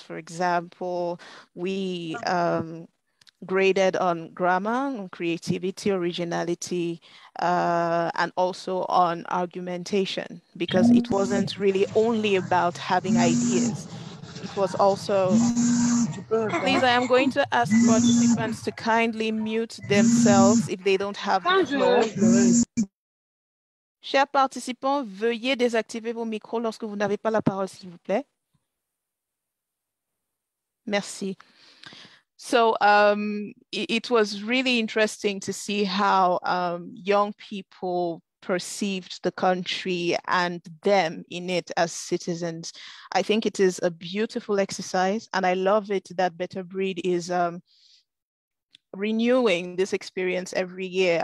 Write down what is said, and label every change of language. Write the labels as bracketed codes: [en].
[en] For example, we graded on grammar, on creativity, originality, and also on argumentation, because it wasn't really only about having ideas. It was also, please, I am going to ask participants to kindly mute themselves if they don't have the floor. [fr] Chers participants, veuillez désactiver vos micros lorsque vous n'avez pas la parole, s'il vous plaît. Merci. [en] So it was really interesting to see how young people perceived the country and them in it as citizens. I think it is a beautiful exercise, and I love it that Better Breed is renewing this experience every year.